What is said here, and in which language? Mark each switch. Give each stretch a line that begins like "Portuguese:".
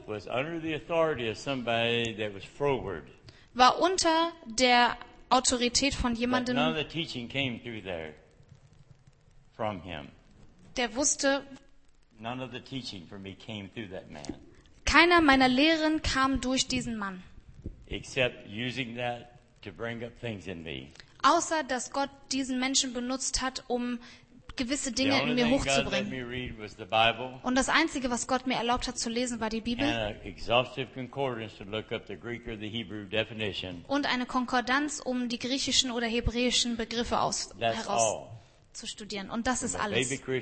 German: war unter der Autorität von jemandem, der froward war, unter der Autorität von jemandem,
English: but none of the teaching came through there from him.
German: Der wusste,
English: none of the teaching for me came through that man.
German: Keiner meiner Lehren kam durch diesen Mann.
English: Except using that to bring up things in me.
German: Außer dass Gott diesen Menschen benutzt hat, um gewisse Dinge in mir hochzubringen. Und das Einzige, was Gott mir erlaubt hat zu lesen, war die Bibel. Und eine Konkordanz, um die griechischen oder hebräischen Begriffe herauszustudieren. Und das ist alles.